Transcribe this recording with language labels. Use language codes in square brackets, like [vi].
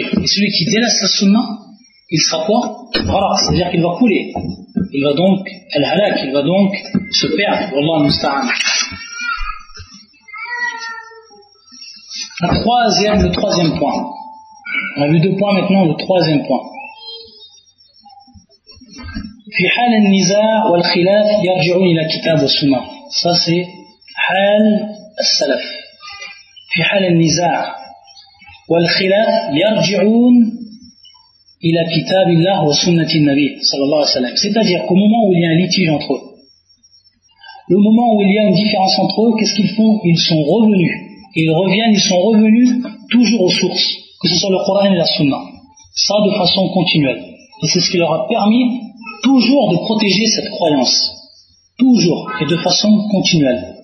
[fr] Et celui qui délaisse sa sunna, il sera quoi? Ghara. C'est-à-dire qu'il va couler. Il va donc al-halak, il va donc se perdre. [ar] Wallah musta'an. [fr] Le troisième point. On a vu deux points, maintenant le troisième point. [ar] في حال النزاع والخلاف يرجعون الى كتاب والسنه. [fr] Ça c'est [ar] حال السلف. في حال النزاع والخلاف يرجعون الى كتاب الله وسنه النبي صلى الله عليه وسلم. [fr] C'est-à-dire qu'au moment où il y a un litige entre eux, le moment où il y a une différence entre eux, qu'est-ce qu'ils font? Ils sont revenus toujours aux sources, que ce soit le Coran et la sunna, ça de façon continuelle. Et c'est ce qui leur a permis toujours de protéger cette croyance, toujours et de façon continuelle.